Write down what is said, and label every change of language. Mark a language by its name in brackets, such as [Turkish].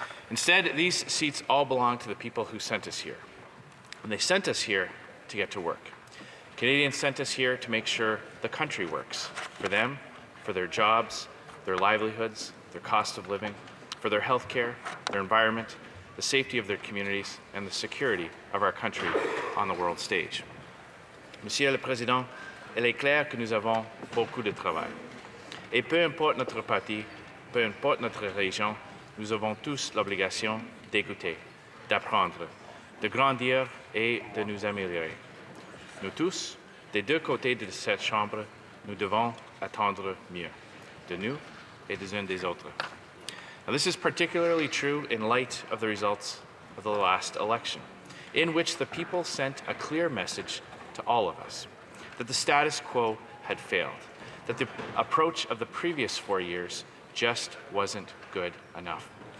[English] Instead, these seats all belong to the people who sent us here. And they sent us here to get to work. Canadians sent us here to make sure the country works for them, for their jobs, their livelihoods, their cost of living, for their health care, their environment, the safety of their communities, and the security of our country on the world stage. [French] Monsieur le Président, il est clair que nous avons beaucoup de travail. Et peu importe notre parti, peu importe notre région, nous avons tous l'obligation d'écouter, d'apprendre, de grandir et de nous améliorer. Nous tous, des deux côtés de cette chambre, nous devons attendre mieux de nous et des uns des autres. [English] Now, this is particularly true in light of the results of the last election, in which the people sent a clear message to all of us that the status quo had failed, that the approach of the previous 4 years just wasn't good enough.